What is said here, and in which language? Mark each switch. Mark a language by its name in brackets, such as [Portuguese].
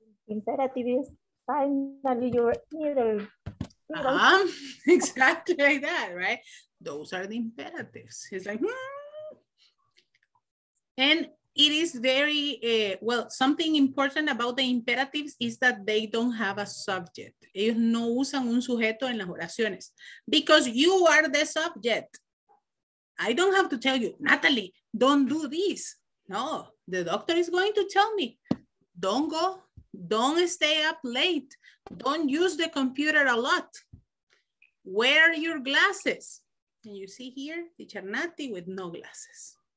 [English] Imperative is finally your middle. Exactly like that, right? Those are the imperatives. It's like, And it is very, something important about the imperatives is that they don't have a subject. [Spanish] Ellos no usan un sujeto en las oraciones. [English] Because you are the subject. I don't have to tell you, Natalie, don't do this. No, the doctor is going to tell me, don't go, don't stay up late, don't use the computer a lot. Wear your glasses. And you see here, teacher Nati with no glasses.